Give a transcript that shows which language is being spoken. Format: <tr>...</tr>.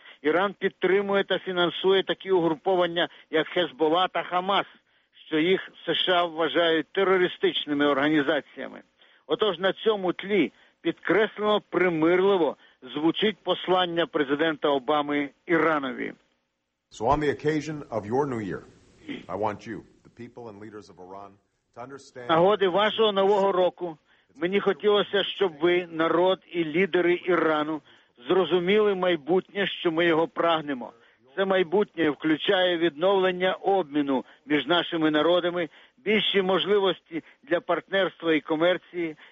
<uk>Іран підтримує та фінансує такі угруповання, як Хезболла та Хамас, що їх США вважають терористичними організаціями. Отож, на цьому тлі підкреслено примирливо звучить послання президента Обами Іранові.</uk> <en>So on the occasion of your new year, I want you, the people and leaders of Iran, to understand...</en> <uk>Нагоди вашого нового року мені хотілося, щоб ви, народ і лідери Ірану, зрозуміли майбутнє, що ми його прагнемо. Це майбутнє включає відновлення обміну між нашими народами, більші можливості для партнерства і комерції.</uk>